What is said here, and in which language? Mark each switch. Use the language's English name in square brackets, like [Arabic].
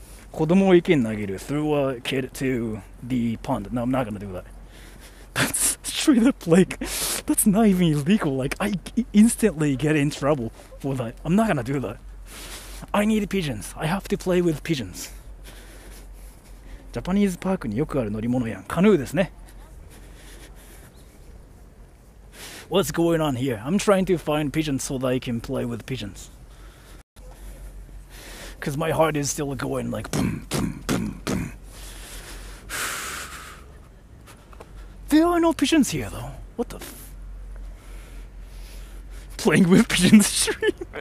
[Japanese] 子供を池に投げる [English] threw a kid to the pond. No, I'm not gonna do that. Straight up, like, that's not even illegal. Like, I instantly get in trouble for that. I'm not gonna do that. I need pigeons. I have to play with pigeons. [Japanese] ジャパニーズパークによくある乗り物やん。カヌーですね。 [English] What's going on here? I'm trying to find pigeons so that I can play with pigeons. Because my heart is still going like boom, boom, boom, boom. There are no pigeons here though. What the f- Playing with pigeons stream.